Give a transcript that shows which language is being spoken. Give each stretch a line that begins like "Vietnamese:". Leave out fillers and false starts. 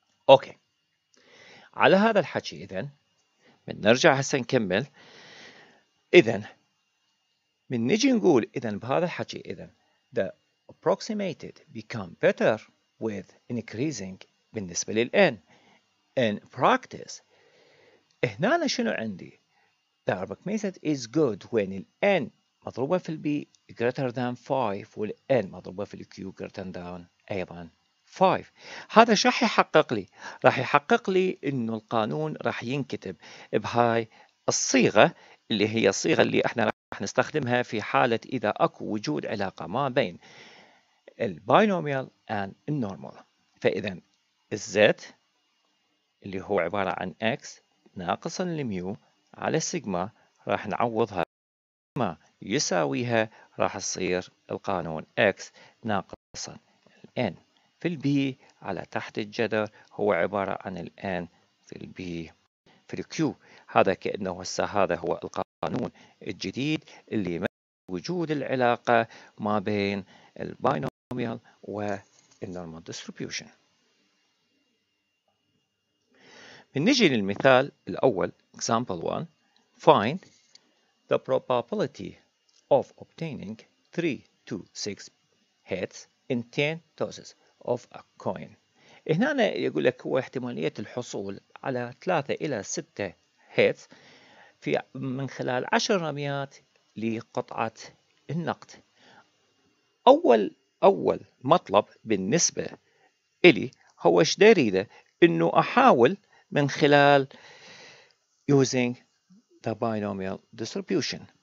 Arabic: أوكي، على هذا الحكي إذن بنرجع هسا نكمل. إذن من نجي نقول إذن بهذا الحكي إذن
English: the approximated become better with increasing
Arabic: بالنسبة للN
English: in practice.
Arabic: هنا أنا شنو عندي؟
English: The approximated is good when the N
Arabic: مضروبة في البي
English: greater than 5
Arabic: والN مضروبة في الQ
English: greater than أيضا 5.
Arabic: هذا شو راح يحقق لي؟ راح يحقق لي إنه القانون راح ينكتب بهاي الصيغة اللي هي الصيغة اللي احنا راح نستخدمها في حالة إذا أكو وجود علاقة ما بين البينوميال and النورمال. فإذا الزيت اللي هو عبارة عن X ناقصا الميو على سيجما راح نعوضها ما يساويها، راح تصير القانون X ناقصا N في البي على تحت الجذر هو عبارة عن N في البي في الكيو. هذا كأنه هسه هذا هو القانون الجديد اللي وجود العلاقة ما بين البينوميال والنورمال ديستريبيوشن. بنجي للمثال الأول example 1.
English: Find the probability of obtaining 3-6 heads in 10 tosses of a coin.
Arabic: هنا يقول لك هو احتمالية الحصول على 3-6 heads في من خلال 10 رميات لقطعة النقد. أول مطلب بالنسبة إلي هو إيش دريده؟ إنه أحاول من خلال
English: using the binomial distribution.